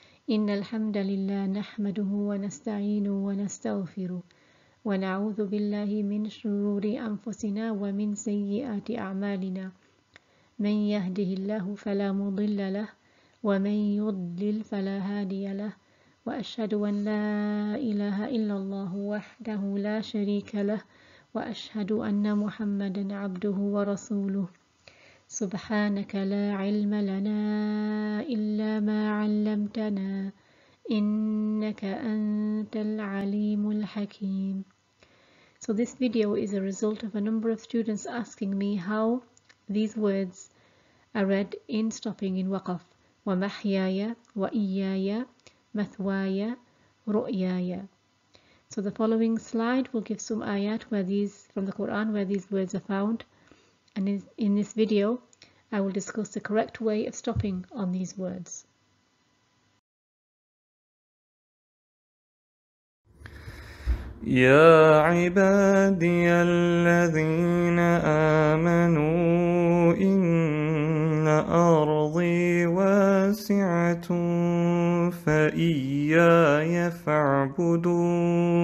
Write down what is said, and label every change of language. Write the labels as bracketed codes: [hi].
[ar] إن الحمد لله نحمده ونستعينه ونستغفره ونعوذ بالله من شرور أنفسنا ومن سيئات أعمالنا، من يهده الله فلا مضل له ومن يضلل فلا هادي له، وأشهد أن لا إله إلا الله وحده لا شريك له، وأشهد أن محمدا عبده ورسوله. سبحانك لا علم لنا إلا ما علمتنا، إنك أنت العليم الحكيم. [en] So this video is a result of a number of students asking me how these words are read in stopping in waqf. [ar] وَمَحْيَايَ وَإِيَّايَ مَثْوَايَ رُؤْيَايَ. [en] So the following slide will give some ayat where these from the Quran where these words are found, and in this video I will discuss the correct way of stopping on these words. [ar] يا عبادي الذين آمنوا إن أرضي واسعة فإياي فاعبدون.